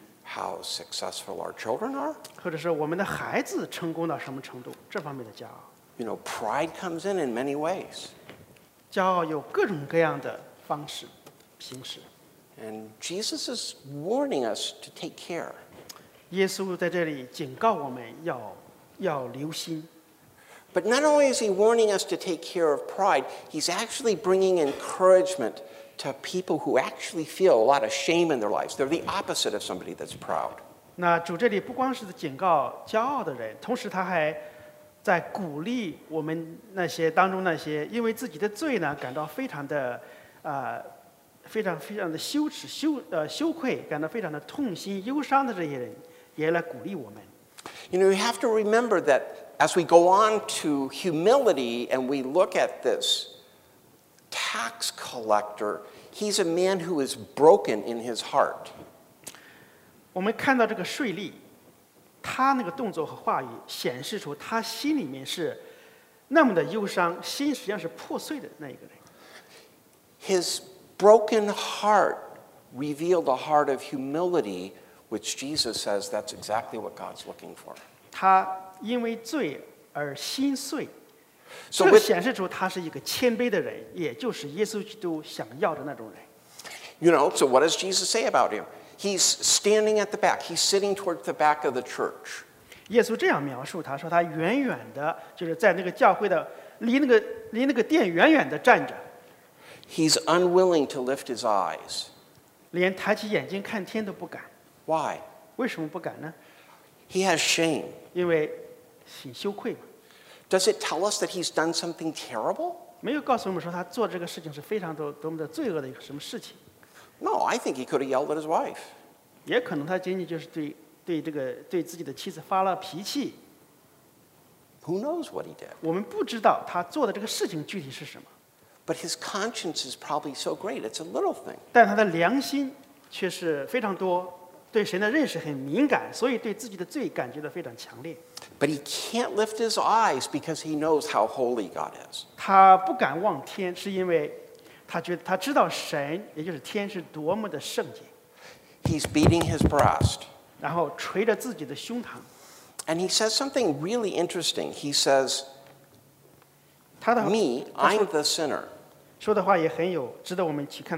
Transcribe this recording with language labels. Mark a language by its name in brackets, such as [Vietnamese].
[English] How successful our children are? [Chinese] 或者是我们的孩子成功到什么程度，这方面的骄傲。 [English] You know, pride comes in many ways. [Chinese] 骄傲有各种各样的方式、形式。 [English] And Jesus is warning us to take care. [Chinese] 耶稣在这里警告我们要留心。 [English] But not only is he warning us to take care of pride, he's actually bringing encouragement. To people who actually feel a lot of shame in their lives. They're the opposite of somebody that's proud. [Chinese] 那主这里不光是警告骄傲的人，同时他还在鼓励我们那些当中那些因为自己的罪呢感到非常的非常非常的羞耻羞愧，感到非常的痛心忧伤的这些人，也来鼓励我们。 [English] You know, you have to remember that as we go on to humility and we look at this. Tax collector, he's a man who is broken in his heart. [Chinese] 我们看到这个税吏，他那个动作和话语显示出他心里面是那么的忧伤，心实际上是破碎的那一个人。 [English] His broken heart revealed a heart of humility, which Jesus says that's exactly what God's looking for. [Chinese] 他因为罪而心碎。 [English] So with, [Chinese] 这显示出他是一个谦卑的人，也就是耶稣基督想要的那种人。 [English] You know, so what does Jesus say about him? He's standing at the back. He's sitting towards the back of the church. [Chinese] 耶稣这样描述他，说他远远的，就是在那个教会的离那个殿远远的站着。 [English] He's unwilling to lift his eyes. [Chinese] 连抬起眼睛看天都不敢。 [English] Why? [Chinese] 为什么不敢呢？ [English] He has shame. [Chinese] 因为很羞愧嘛。 [English] Does it tell us that he's done something terrible? [Chinese] 没有告诉我们说他做这个事情是非常多么的罪恶的一个什么事情。 [English] No, I think he could have yelled at his wife. [Chinese] 也可能他仅仅就是对自己的妻子发了脾气。 [English] Who knows what he did? [Chinese] 我们不知道他做的这个事情具体是什么。 [English] But his conscience is probably so great, it's a little thing. [Chinese] 但他的良心却是非常多。对神的认识很敏感，所以对自己的罪感觉得非常强烈。 [English] But he can't lift his eyes because he knows how holy God is. [Chinese] 他不敢望天，是因为他知道神，也就是天是多么的圣洁。 [English] He's beating his breast. [Chinese] 然后捶着自己的胸膛。 [English] And he says something really interesting. He says, "Me, I'm the sinner." [Chinese] 说的话也很有值得我们去看。